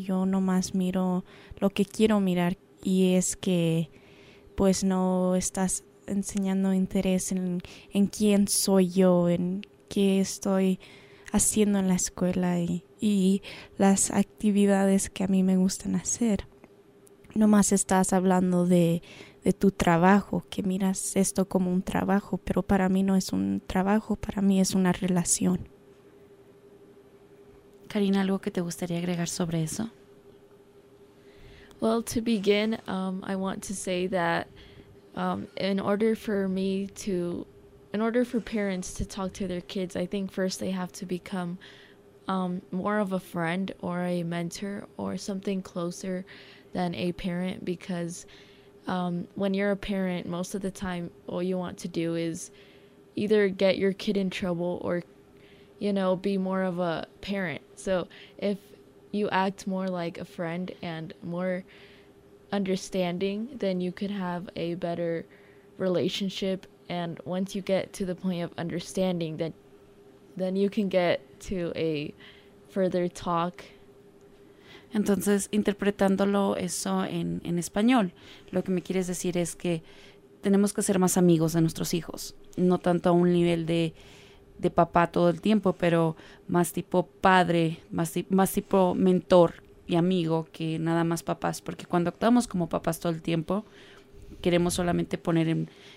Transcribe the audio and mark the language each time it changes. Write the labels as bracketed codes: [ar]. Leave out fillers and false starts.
[es] Yo nomás miro lo que quiero mirar y es que pues no estás enseñando interés en quién soy yo, en qué estoy haciendo en la escuela y las actividades que a mí me gustan hacer. Nomás estás hablando de tu trabajo, que miras esto como un trabajo, pero para mí no es un trabajo, para mí es una relación. Karina, ¿algo que te gustaría agregar sobre eso? [en] Well, to begin, I want to say that in order for me to in order for parents to talk to their kids, I think first they have to become more of a friend or a mentor or something closer than a parent, because when you're a parent, most of the time all you want to do is either get your kid in trouble or, you know, be more of a parent. So if you act more like a friend and more understanding, then you could have a better relationship. And once you get to the point of understanding, then you can get to a further talk. [es] Entonces, interpretándolo eso en español, lo que me quieres decir es que tenemos que ser más amigos de nuestros hijos, no tanto a un nivel de papá todo el tiempo, pero más tipo padre, más tipo mentor y amigo que nada más papás, porque cuando actuamos como papás todo el tiempo, queremos solamente poner en...